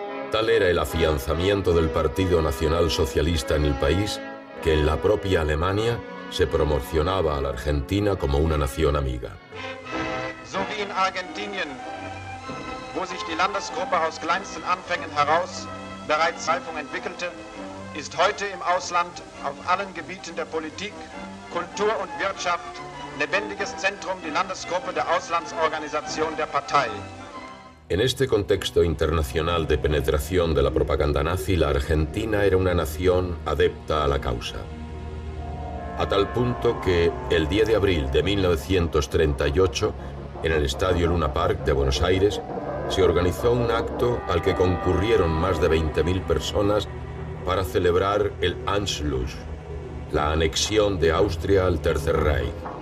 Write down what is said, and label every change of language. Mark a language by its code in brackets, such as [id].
[es] Tal era el afianzamiento del Partido Nacional Socialista en el país que en la propia Alemania se promocionaba a la Argentina como una nación amiga. [de] So wie in Argentinien, wo sich die Landesgruppe aus kleinsten Anfängen heraus bereits Zeitung entwickelte, ist heute im Ausland auf allen Gebieten der Politik, Kultur und Wirtschaft lebendiges Zentrum die Landesgruppe der Auslandsorganisation der Partei. [es] En este contexto internacional de penetración de la propaganda nazi, la Argentina era una nación adepta a la causa. A tal punto que, el 10 de abril de 1938, en el Estadio Luna Park de Buenos Aires, se organizó un acto al que concurrieron más de 20.000 personas para celebrar el Anschluss, la anexión de Austria al Tercer Reich.